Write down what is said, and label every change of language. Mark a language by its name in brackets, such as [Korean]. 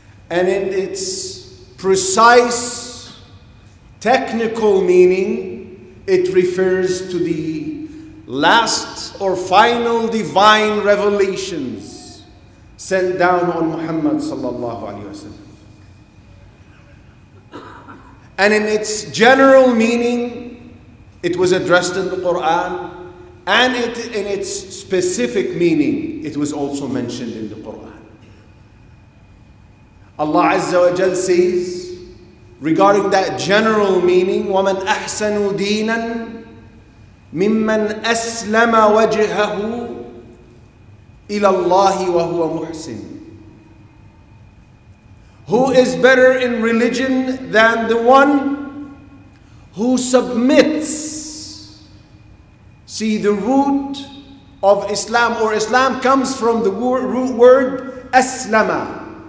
[English] And in its precise technical meaning, it refers to the last or final divine revelations sent down on Muhammad sallallahu alaihi wasallam. And in its general meaning, it was addressed in the Quran, and in its specific meaning, it was also mentioned in the Quran. Allah Azza wa Jal says, regarding that general meaning, [Arabic] وَمَنْ أَحْسَنُ دِينًا مِمَّنْ أَسْلَمَ وَجْهَهُ إِلَى اللَّهِ وَهُوَ مُحْسِنٌ. [English] Who is better in religion than the one who submits? See, the root of Islam, or Islam comes from the root word aslama.